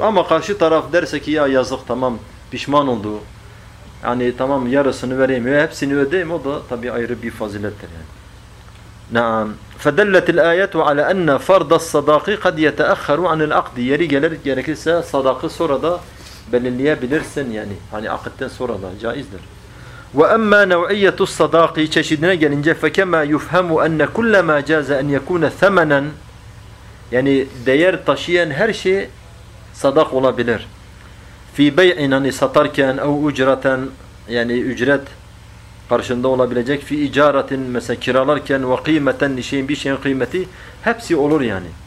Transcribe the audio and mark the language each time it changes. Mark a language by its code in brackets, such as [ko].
[tr] Ama karşı taraf derse ki ya yazık, tamam pişman oldu, yani tamam yarısını vereyim ve hepsini ödeyim, o da tabi ayrı bir fazilettir yani. [ar] Naam. فَدَلَّتِ الْآيَةُ عَلَى أَنَّ فَرْضَ الصَّدَاقِ قَدْ يَتَأَخَّرُ عَنِ الْعَقْدِ. [tr] Yeri gelir gerekirse sadakı sonra da belirleyebilirsin, yani hani akıtten sonra da caizdir. [ar] وَأَمَّا نَوْعِيَّةُ الصَّدَاقِ. [tr] Çeşidine gelince [ar] فَكَمَا يُفْهَمُ أَنَّ كُلَّ مَا جَازَ أَنْ يَكُونَ ثَمَنًا. [tr] Yani değer taşıyan her şey sadak olabilir. [ar] Fi bey'in, [tr] hani satarken, ev ücreten, yani ücret karşında olabilecek. [ar] Fi icaretin, [tr] mesela kiralarken, ve kıymeten, nişeyin, bir şeyin kıymeti, hepsi olur yani.